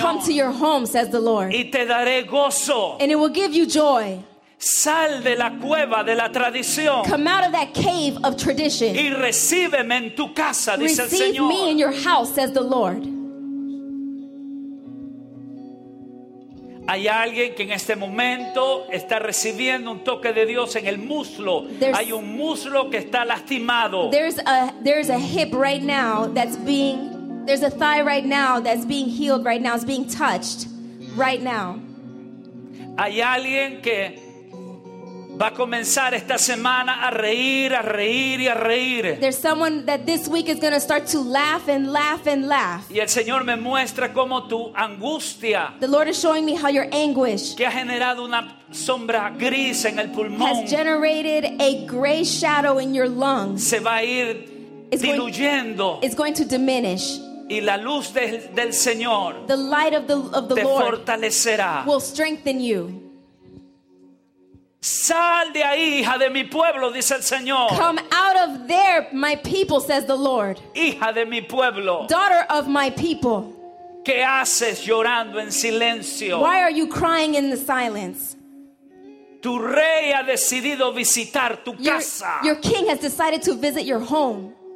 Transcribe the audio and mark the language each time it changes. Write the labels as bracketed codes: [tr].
[en] Come to your home, says the Lord. [es] Y te daré gozo. [en] And it will give you joy. [es] Sal de la cueva de la tradición. [en] Come out of that cave of tradition. [es] Y recíbeme en tu casa, dice [en] receive [es] el Señor. [en] Receive me in your house, says the Lord. [es] Hay alguien que en este momento está recibiendo un toque de Dios en el muslo. [en] There's, [es] hay un muslo que está lastimado. [en] There's a hip right now that's being, there's a thigh right now that's being healed right now. It's being touched right now. [es] Hay alguien que va a comenzar esta semana a reír, a reír y a reír. [en] There's someone that this week is going to start to laugh and laugh and laugh. [es] Y el Señor me muestra cómo tu angustia. [en] The Lord is showing me how your anguish. [es] Que ha generado una sombra gris en el pulmón. [en] Has generated a gray shadow in your lungs. [es] Se va a ir diluyendo. [en] It's going to diminish. [es] Y la luz del Señor. [en] The light of the [es] te [en] Lord. [es] Te fortalecerá. [en] Will strengthen you. [es] Sal de ahí, hija de mi pueblo, dice el Señor. [en] Come out of there, my people, says the Lord. [es] Hija de mi pueblo. [en] Daughter of my people. [es] ¿Qué haces llorando en silencio? [en] Why are you crying in the silence? [es] Tu rey ha decidido visitar tu casa. [en] Your king has decided to visit your home.